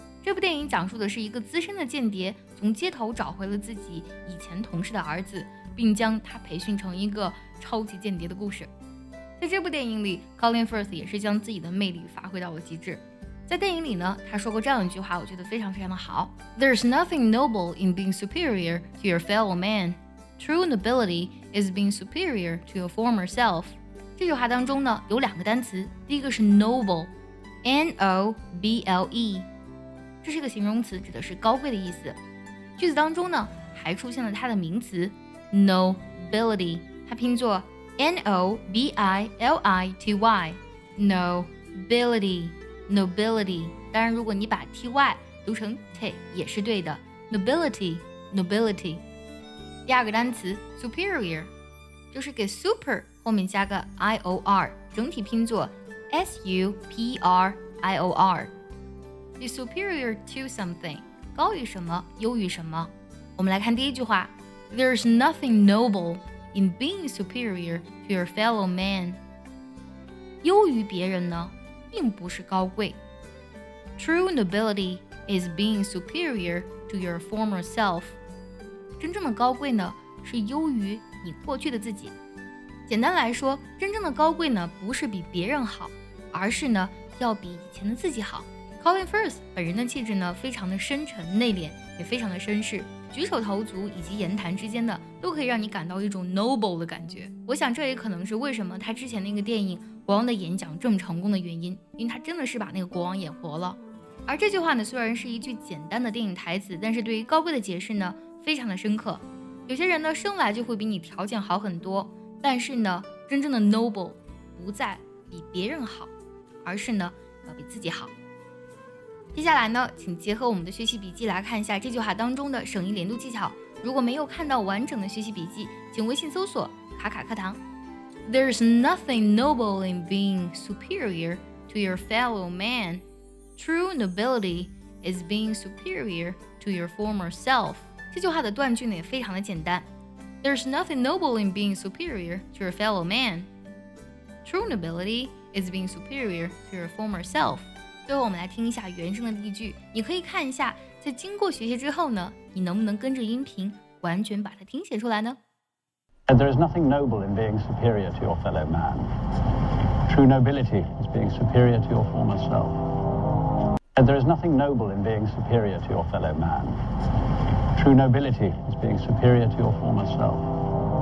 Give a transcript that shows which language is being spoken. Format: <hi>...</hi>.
<zh>这部电影讲述的是一个资深的间谍从街头找回了自己以前同事的儿子，并将他培训成一个超级间谍的故事。在这部电影里， Colin Firth 也是将自己的魅力发挥到了极致。在电影里呢，他说过这样一句话，我觉得非常非常的好。</zh> <en>There's nothing noble in being superior to your fellow man. True nobility is being superior to your former self.</en> <zh>这句话当中呢，有两个单词，第一个是 noble， N-O-B-L-E， 这是一个形容词，指的是高贵的意思。句子当中呢，还出现了它的名词Nobility， 它拼作 N-O-B-I-L-I-T-Y， Nobility， Nobility。当然如果你把 T-Y 读成 T 也是对的， Nobility， Nobility。第二个单词 Superior， 就是给 Super 后面加个 I-O-R， 整体拼作 S-U-P-R-I-O-R，</zh> <en>Be superior to something，</en> <zh>高于什么，优于什么。我们来看第一句话，</zh> <en>There's nothing noble in being superior to your fellow man.</en> <zh>优于别人呢，并不是高贵。</zh> <en>True nobility is being superior to your former self.</en> <zh>真正的高贵呢，是优于你过去的自己。简单来说，真正的高贵呢，不是比别人好，而是呢，要比以前的自己好。 Colin Firth 本人的气质呢，非常的深沉内敛，也非常的绅士，举手投足以及言谈之间的都可以让你感到一种 noble 的感觉。我想这也可能是为什么他之前那个电影《国王的演讲》这么成功的原因，因为他真的是把那个国王演活了。而这句话呢，虽然是一句简单的电影台词，但是对于高贵的解释呢，非常的深刻。有些人呢，生来就会比你条件好很多，但是呢，真正的 noble 不在比别人好，而是呢，要比自己好。接下来呢，请结合我们的学习笔记来看一下这句话当中的省一连读技巧。如果没有看到完整的学习笔记，请微信搜索卡卡课堂。</zh> <en>There's nothing noble in being superior to your fellow man. True nobility is being superior to your former self.</en> <zh>这句话的断句呢也非常的简单。</zh> <en>There's nothing noble in being superior to your fellow man. True nobility is being superior to your former self.</en> <zh>最后我们来听一下原声的例句，你可以看一下在经过学习之后呢，你能不能跟着音频完全把它听写出来呢？</zh> <en>And there is nothing noble in being superior to your fellow man. True nobility is being superior to your former self. And there is nothing noble in being superior to your fellow man. True nobility is being superior to your former self.</en>